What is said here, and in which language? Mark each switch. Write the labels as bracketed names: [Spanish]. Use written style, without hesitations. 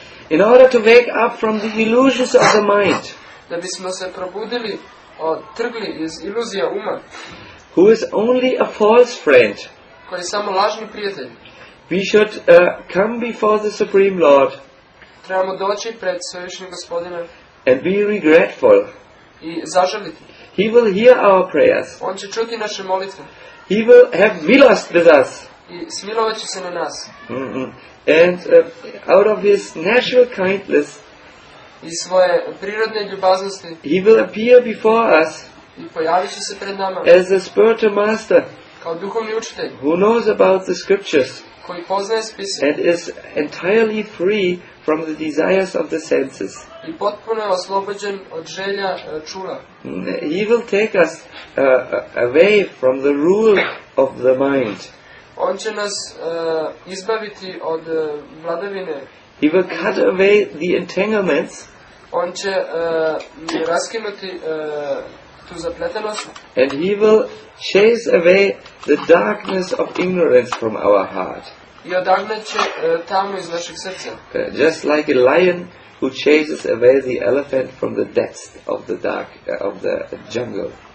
[English] In order to wake up from the illusions of the mind. [Serbian] Da bismo se probudili, trgli iz iluzija uma. [English] Who is only a false friend. [Serbian] Koji je samo lažni prijatelj. [English] We should come before the Supreme Lord. [Serbian] Trebamo doći pred svevišnjeg gospodina. [English] And be regretful. [Serbian] I zažaliti. [English] He will hear our prayers. [Serbian] On će čuti naše molitve. [English] He will have milost with us. [Serbian] I smilovat će se na nas. [English] And out of his natural kindness, [Serbian] i svoje prirodne ljubaznosti, [English] he will appear before us, [Serbian] i pojavit će se pred nama, [English] as a spiritual master, [Serbian] kao duhovni učitelj, [English] who knows about the scriptures, [Serbian] koji poznaje spise, [English] and is entirely free from the desires of the senses. [Serbian] I potpuno oslobođen od želja čula. [English] He will take us away from the rule of the mind. [Serbian] On će nas izbaviti od vladavine. [English] He will cut away the entanglements. [Serbian] On će raskinuti tu zapletenost. [English] And he will chase away the darkness of ignorance from our heart. [Serbian] I odagnaće tamu iz našeg srca. [English] Just like a lion who chases away the elephant from the depths of the dark of the jungle.